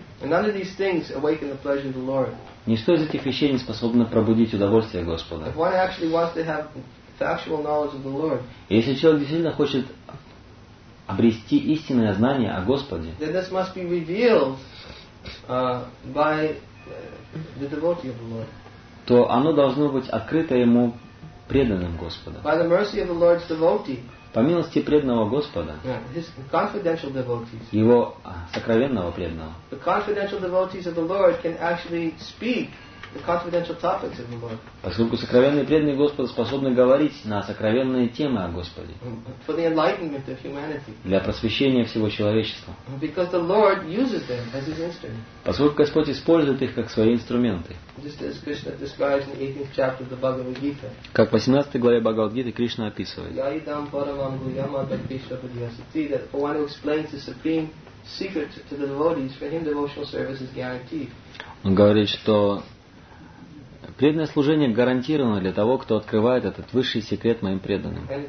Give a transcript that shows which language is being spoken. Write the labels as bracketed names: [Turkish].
[Russian] Ничто из этих вещей не способно пробудить удовольствие Господа. Если человек действительно хочет обрести истинное знание о Господе, [English] then this must be revealed by the devotee of the Lord. [Russian] То оно должно быть открыто ему преданным Господом. [English] By the mercy of the Lord's devotee. [Russian] По милости преданного Господа. [English] His confidential devotees. [Russian] Его сокровенного преданного. [English] The confidential devotees of the Lord can actually speak the confidential topics of the Lord. [Russian] Поскольку сокровенные преданные Господа способны говорить на сокровенные темы о Господе. [English] For the enlightenment of humanity. [Russian] Для просвещения всего человечества. [English] Because the Lord uses them as his instruments. [Russian] Поскольку Господь использует их как свои инструменты. [English] Just as Krishna describes in the 18th chapter of the Bhagavad Gita. [Russian] Как в 18 главе Бхагавад Гиты Кришна описывает. [Sanskrit] Яидам парамам гуйяма бхактишвападиасити. [English] That for one who explains the supreme secret to the devotees, for him devotional service is guaranteed. [Russian] Он говорит, что преданное служение гарантировано для того, кто открывает этот высший секрет моим преданным.